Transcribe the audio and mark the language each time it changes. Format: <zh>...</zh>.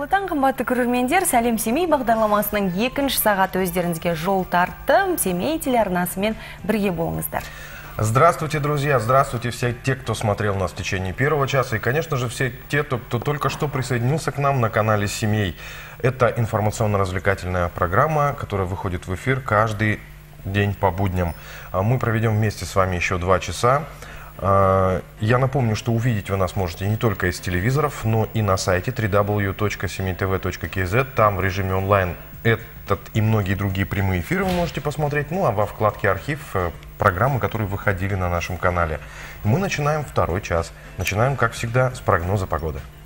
<kk>Құрметті көрермендер, сәлем Семей бағдарламасының екінші сағаты өздеріңізге жол тартты. Семей телеарнасымен бірге болыңыздар.</kk> <ru>Здравствуйте, друзья! Здравствуйте все те, кто смотрел нас в течение первого часа. И, конечно же, все те, кто только что присоединился к нам на канале Семей. Это информационно-развлекательная программа, которая выходит в эфир каждый день по будням. Мы проведем вместе с вами еще два часа. Я напомню, что увидеть вы нас можете не только из телевизоров, но и на сайте www.semeitv.kz. Там в режиме онлайн этот и многие другие прямые эфиры вы можете посмотреть. Ну а во вкладке «Архив» программы, которые выходили на нашем канале. Мы начинаем второй час. Начинаем, как всегда, с прогноза погоды.</ru>